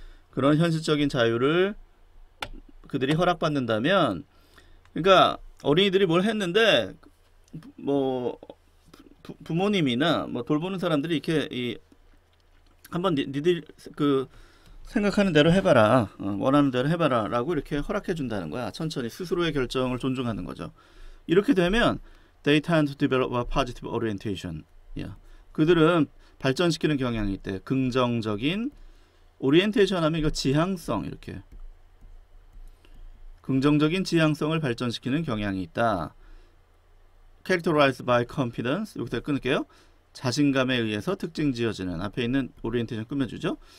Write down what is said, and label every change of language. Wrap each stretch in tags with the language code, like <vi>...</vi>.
<ko>그런 현실적인 자유를 그들이 허락받는다면, 그러니까 어린이들이 뭘 했는데 뭐 부모님이나 뭐 돌보는 사람들이 이렇게 이 한번 니들 그 생각하는 대로 해봐라, 원하는 대로 해봐라라고 이렇게 허락해 준다는 거야. 천천히 스스로의 결정을 존중하는 거죠. 이렇게 되면</ko> <en>they tend to develop a positive orientation.</en> <ko>그들은 발전시키는 경향이 있대. 긍정적인 오리엔테이션 하면 이거 지향성 이렇게. 긍정적인 지향성을 발전시키는 경향이 있다.</ko> <en>Characterized by confidence.</en> <ko>여기서 끊을게요. 자신감에 의해서 특징 지어지는 앞에 있는 오리엔테이션 꾸며주죠.</ko>